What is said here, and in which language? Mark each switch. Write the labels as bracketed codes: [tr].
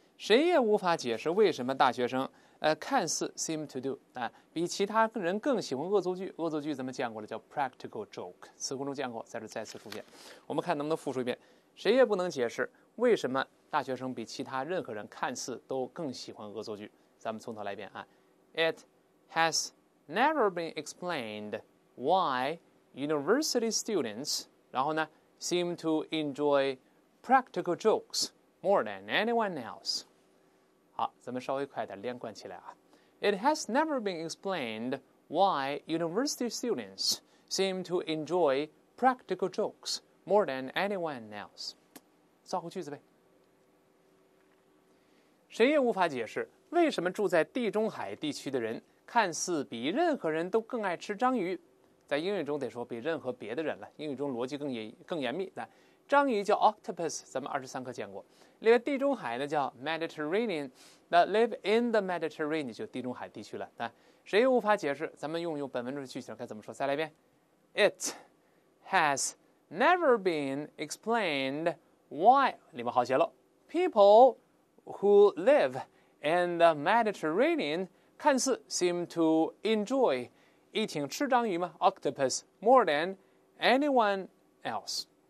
[zh] 谁也无法解释为什么大学生看似 [en] seem to do [zh] 啊，比其他人更喜欢恶作剧。恶作剧咱们见过了，叫 [en] practical joke， [zh] 词库中见过，在这再次出现。我们看能不能复述一遍，谁也不能解释为什么大学生比其他任何人看似都更喜欢恶作剧。咱们从头来一遍啊。 [en] It has never been explained why university students, [zh] 然后呢 [en] seem to enjoy practical jokes more than anyone else. [zh] 好，咱们稍微快点连贯起来啊。 [en] It has never been explained why university students seem to enjoy practical jokes more than anyone else. [zh] 造个句子呗。谁也无法解释为什么住在地中海地区的人看似比任何人都更爱吃章鱼。在英语中得说比任何别的人了，英语中逻辑更严密。章鱼叫 octopus， 咱们二十三课见过。另外地中海呢叫 Mediterranean， 那 [en] live in the Mediterranean [zh] 就地中海地区了。谁也无法解释，咱们用本文中的句型该怎么说，再来一遍。 [en] It has never been explainedWhy, [zh] 里面好写了， [en] people who live in the Mediterranean [zh] 看似 [en] seem to enjoy eating [zh] 吃章鱼吗 [en] octopus more than anyone else.